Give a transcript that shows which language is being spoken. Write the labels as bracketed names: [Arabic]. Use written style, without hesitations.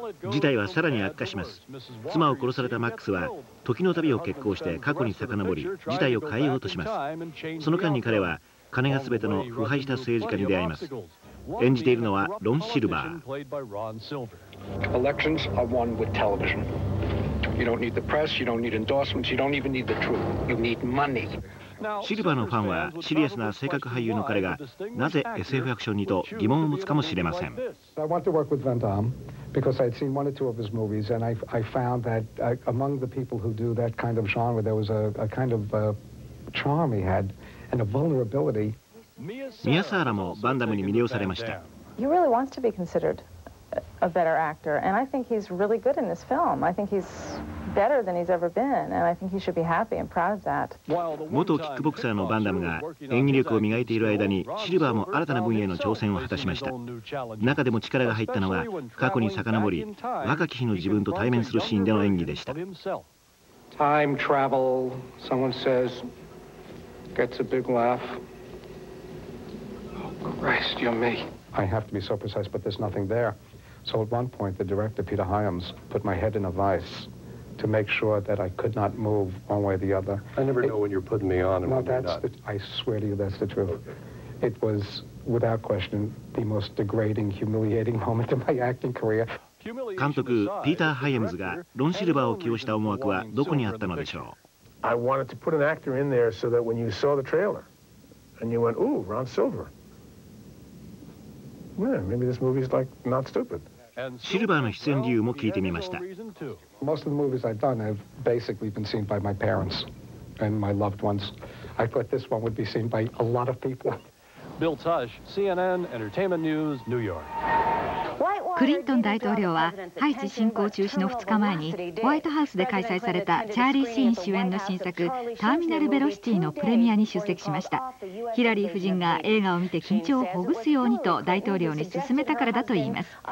[Japanese] 事態はさらに悪化します。妻を殺されたマックスは時の旅を決行して過去に遡り、事態を変えようとします。その間に彼は金が全ての腐敗した政治家に出会います。演じているのはロン・シルバー。 [English] Elections are won with television. You don't need the press, you don't need endorsements, you don't even need the truth. You need money. [Japanese] シルバーのファンはシリアスな性格俳優の彼がなぜ SF アクションにと疑問を持つかもしれません。 [English] I want to work with Van Damme because I'd seen one or two of his movies and I found that among the people who do that kind of genre there was a kind of charm he had and a vulnerability. [Japanese] ミヤサーラもバンダムに魅了されました。 [English] He really wants to be considered a better actor, and I think he's really good in this film. I think he's better than he's ever been, and I think he should be happy and proud of that. [Japanese] 元キックボクサーのバンダムが演技力を磨いている間に、シルバーも新たな分野への挑戦を果たしました。中でも力が入ったのは、過去に遡り、若き日の自分と対面するシーンでの演技でした。 [English] Time travel, someone says, gets a big laugh. Christ, you're me. I have to be so precise, but there's nothing there. So at one point, the director, Peter Hyams, put my head in a vise to make sure that I could not move one way or the other. I never know when you're putting me on and when you're not. I swear to you, that's the truth. It was, without question, the most degrading, humiliating moment of my acting career. [Japanese] 監督、ピーター・ハイアムズがロン・シルバーを起用した思惑はどこにあったのでしょう。 [English] I wanted to put an actor in there so that when you saw the trailer and you went, ooh, Ron Silver. [Japanese] シルバーの出演理由も聞いてみました。 [English] Most of the movies I've done have basically been seen by my parents and my loved ones. I thought this one would be seen by a lot of people. Bill Tush, CNN Entertainment News, New York. [Japanese] クリントン大統領はハイチ侵攻中止の2日前にホワイトハウスで開催されたチャーリー・シーン主演の新作ターミナルベロシティのプレミアに出席しました。ヒラリー夫人が映画を見て緊張をほぐすようにと大統領に勧めたからだといいます。